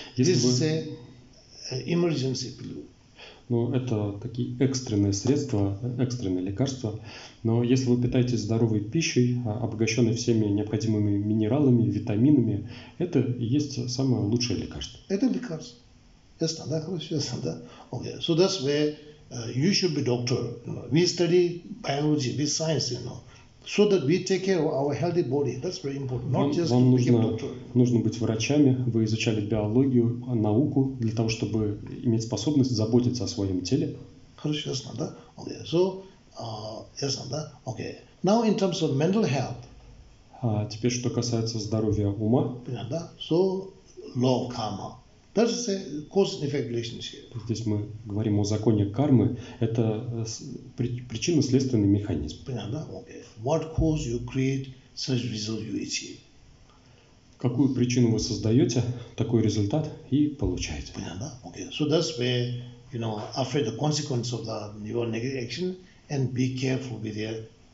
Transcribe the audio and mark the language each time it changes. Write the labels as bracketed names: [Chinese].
[English] Если this is an emergency pill. [Russian] Ну, это такие экстренные средства, экстренные лекарства. Но если вы питаетесь здоровой пищей, обогащенной всеми необходимыми минералами, витаминами, это и есть самое лучшее лекарство. Это лекарство. Ясно, да? Хорошо, ясно, да? [English] Okay, so that's where you should be doctor. We study biology, we science, you know. So that we take care of our healthy body. That's very important. Not just [Russian] вам нужно быть врачами. Вы изучали биологию, науку для того, чтобы иметь способность заботиться о своем теле. Хорошо, ясно, да? Okay. So, ясно, да? Okay. [English] Now in terms of mental health. [Russian] Теперь, что касается здоровья ума. Понятно, да? [English] So, law of karma. That's a cause and effect relationship. [Russian] Здесь мы говорим о законе кармы. Это причинно-следственный механизм. Понятно? Okay. [English] What cause you create, such result you achieve. [Russian] Какую причину вы создаете, такой результат и получаете. Понятно? Okay. [English] So that's where, you know, afraid the consequence of the your negative action and be careful with